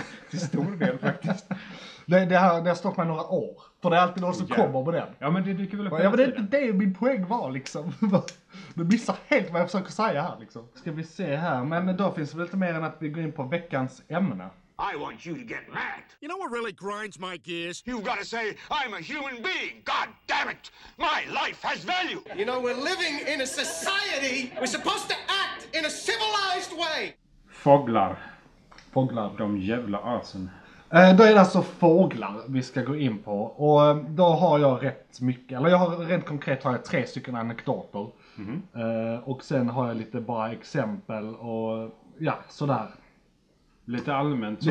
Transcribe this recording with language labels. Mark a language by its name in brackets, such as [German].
[Swedish] Till stor del faktiskt. Det har stått mig några år. För det är alltid någon som kommer på den. Ja, men det dyker väl upp. Ja, men det är inte det min poäng var liksom. Du missar helt vad jag försöker säga här liksom. Ska vi se här. Men då finns det väl lite mer än att vi går in på veckans ämne. [English] I want you to get mad. You know what really grinds my gears? You've got to say, I'm a human being. God damn it. My life has value. You know, we're living in a society. We're supposed to act in a civilized way. [Swedish] Fåglar. De jävla asen. Då är det alltså fåglar vi ska gå in på, och då har jag rätt mycket, eller jag har rent konkret har jag tre stycken anekdoter. Och sen har jag lite bara exempel och ja, sådär. Lite allmänt så.